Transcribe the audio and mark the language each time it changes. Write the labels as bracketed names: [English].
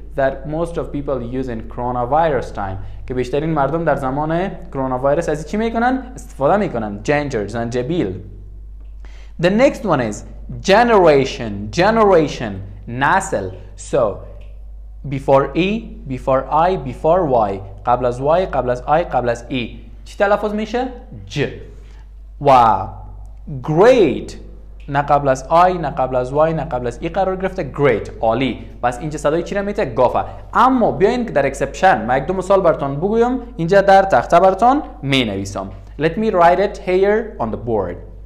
[English] That most of people use in coronavirus time. [Persian] که بیشترین مردم در زمان کروناویروس از چی میکنن؟ استفاده میکنن. [English] Ginger، زنجبیل. The next one is generation. Generation، نسل. So before E، before I، before Y. [Persian] قبل از Y، قبل از I، قبل از E. چی تلفظ میشه؟ J. و great، نه قبل از آی، نه قبل از وای، نه قبل از ای قرار گرفته. great، عالی. پس اینجا صدای چی را میته؟ گافه. اما بیاین که در اکسپشن من یک دو مثال براتون بگویم، اینجا در تخته براتون می نویسم. [English] Let me write it here on the board.